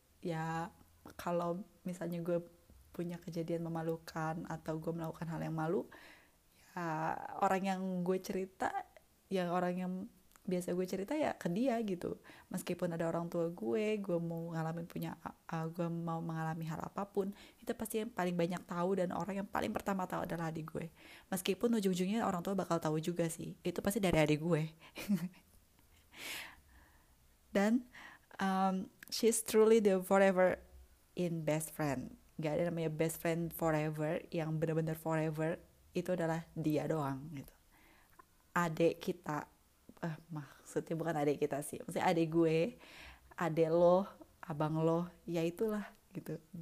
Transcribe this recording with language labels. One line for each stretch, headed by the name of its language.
Indonesian: Ya kalau misalnya gue punya kejadian memalukan atau gue melakukan hal yang malu, ya orang yang gue cerita, ya orang yang biasa gue cerita ya ke dia gitu. Meskipun ada orang tua gue mau ngalamin punya gue mau mengalami hal apapun, itu pasti yang paling banyak tahu dan orang yang paling pertama tahu adalah adik gue. Meskipun ujung-ujungnya orang tua bakal tahu juga sih, itu pasti dari adik gue. Dan
English: she's truly the forever in best friend.
Indonesian: Gak ada namanya
English: best friend forever,
Indonesian: yang benar-benar forever itu adalah dia doang gitu. Adik kita, maksudnya bukan adik kita sih, maksudnya adik gue, adik lo, abang lo, ya itulah gitu.